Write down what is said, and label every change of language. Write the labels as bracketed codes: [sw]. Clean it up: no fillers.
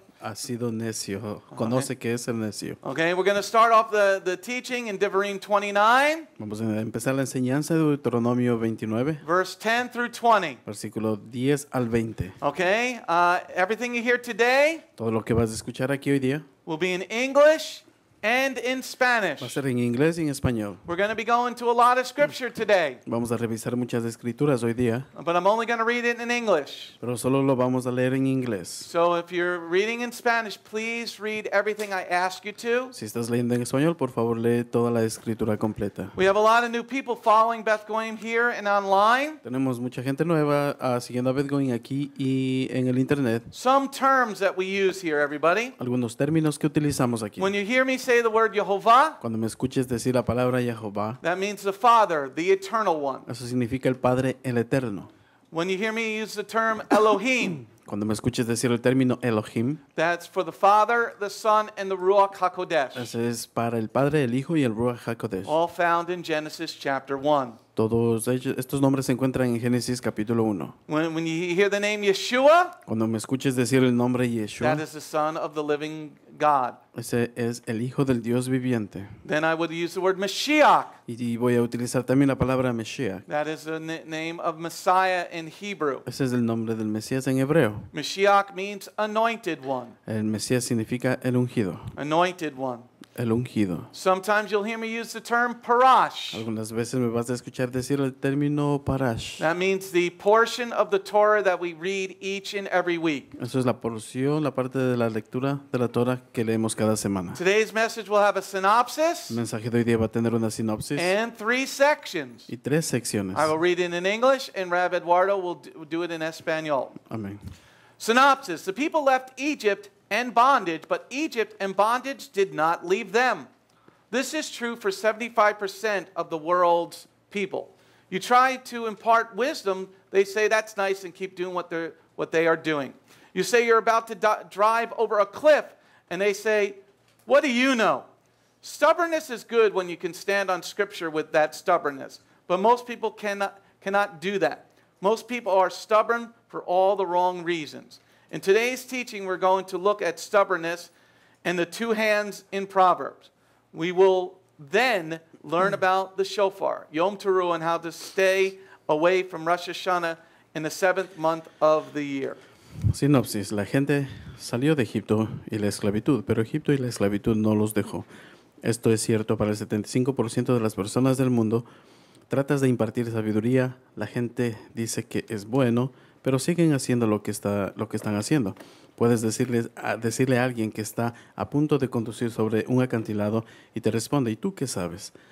[es] ha sido necio, conoce okay. Que es el necio. [en] Okay, we're going to start off the teaching in Devarim 29. [es] Vamos a empezar la enseñanza de Deuteronomio 29. [en] Verse 10 through 20. [es] Versículo 10 al 20. [en] Okay, everything you hear today. [es] Todo lo que vas a escuchar aquí hoy día. [en] Will be in English and in Spanish. [es] Va a ser en inglés y en español. [en] We're going to be going to a lot of scripture today. [es] Vamos a revisar muchas escrituras hoy día. [en] But I'm only going to read it in English. [es] Pero solo lo vamos a leer en inglés. [en] So if you're reading in Spanish, please read everything I ask you to. [es] Si estás leyendo en español, por favor, lee toda la escritura completa. [en] We have a lot of new people following Beth Goyim here and online. [es] Tenemos mucha gente nueva siguiendo a Beth Goyim aquí y en el internet. [en] Some terms that we use here, everybody. [es] Algunos términos que utilizamos aquí. [en] When you hear me say the word Jehovah. [es] Cuando me escuches decir la palabra Jehovah. [en] That means the Father, the Eternal One. [es] Eso significa el Padre, el Eterno. [en] When you hear me use the term Elohim. [es] Cuando me escuches decir el término Elohim. [en] That's for the Father, the Son, and the Ruach HaKodesh. [es] Eso es para el Padre, el Hijo y el Ruach HaKodesh. [en] All found in Genesis chapter 1. [es] Todos ellos, estos nombres se encuentran en Génesis capítulo 1. [en] When you hear the name Yeshua. [es] Cuando me escuches decir el nombre Yeshua. [en] That is the Son of the Living God. [es] Ese es el Hijo del Dios viviente. [en] Then I would use the word Mashiach. [es] Y voy a utilizar también la palabra Mashiach. [en] That is the name of Messiah in Hebrew. [es] Ese es el nombre del Mesías en hebreo. [en] Mashiach means anointed one. [es] El Mesías significa el ungido. [en] Anointed one. [es] El ungido. [en] Sometimes you'll hear me use the term parash. [es] Algunas veces me vas a escuchar decir el término parash. [en] That means the portion of the Torah that we read each and every week. [es] Eso es la porción, la parte de la lectura de la Torah que leemos cada semana. [en] Today's message will have a synopsis. [es] El mensaje de hoy día va a tener una sinopsis. [en] And three sections. [es] Y tres secciones. [en] I will read it in English and Rav Eduardo will do it in Espanol. [es] Amén. [en] Synopsis. The people left Egypt and bondage, but Egypt and bondage did not leave them. This is true for 75% of the world's people. You try to impart wisdom, they say that's nice and keep doing what they are doing. You say you're about to drive over a cliff, and they say, what do you know? Stubbornness is good when you can stand on scripture with that stubbornness, but most people cannot do that. Most people are stubborn for all the wrong reasons. In today's teaching, we're going to look at stubbornness and the two hands in Proverbs. We will then learn about the Shofar, Yom Teruah, and how to stay away from Rosh Hashanah in the seventh month of the year. [es] Sinopsis. La gente salió de Egipto y la esclavitud, pero Egipto y la esclavitud no los dejó. Esto es cierto para el 75% de las personas del mundo. Tratas de impartir sabiduría. La gente dice que es bueno. Pero siguen haciendo lo que están haciendo. Puedes decirle a alguien que está a punto de conducir sobre un acantilado y te responde, ¿y tú qué sabes?